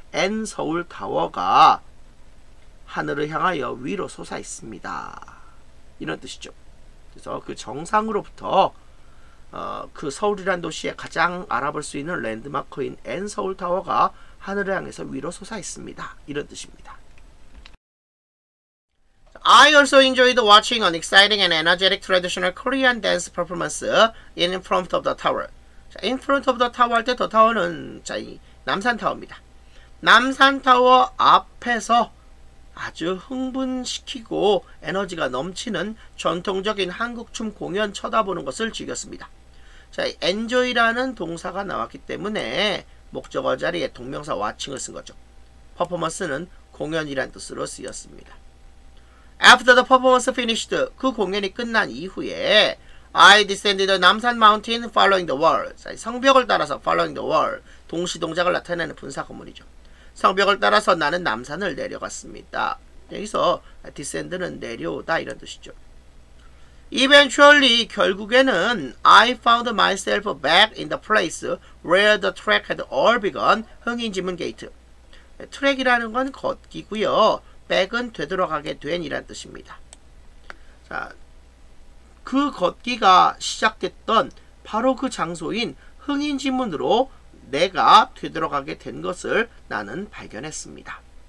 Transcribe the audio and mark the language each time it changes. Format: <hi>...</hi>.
<ko>N서울타워가 하늘을 향하여 위로 솟아있습니다. 이런 뜻이죠. 그래서 그 정상으로부터 그 서울이란 도시에 가장 알아볼 수 있는 랜드마크인 N서울타워가 하늘을 향해서 위로 솟아있습니다. 이런 뜻입니다.</ko> <en>I also enjoyed watching an exciting and energetic traditional Korean dance performance in front of the tower.</en> <ko>자, in front of the tower 할 때 더 타워는 남산타워입니다. 남산타워 앞에서 아주 흥분시키고 에너지가 넘치는 전통적인 한국춤 공연 쳐다보는 것을 즐겼습니다. 자, enjoy라는 동사가 나왔기 때문에 목적어 자리에 동명사 watching을 쓴 거죠. 퍼포먼스는 공연이란 뜻으로 쓰였습니다.</ko> <en>After the performance finished,</en> <ko>그 공연이 끝난 이후에</ko> <en>I descended the 남산 mountain following the wall.</en> <ko>성벽을 따라서</ko> <en>following the wall.</en> <ko>동시동작을 나타내는 분사구문이죠. 성벽을 따라서 나는 남산을 내려갔습니다. 여기서 descend는 내려오다 이런 뜻이죠.</ko> <en>Eventually, 결국에는 I found myself back in the place where the track had all begun.</en> <ko>흥인지문 게이트. 트랙이라는 건 걷기고요. back은 되돌아가게 된 이란 뜻입니다. 자, 그 걷기가 시작됐던 바로 그 장소인 흥인지문으로 내가 되돌아가게 된 것을 나는 발견했습니다.</ko>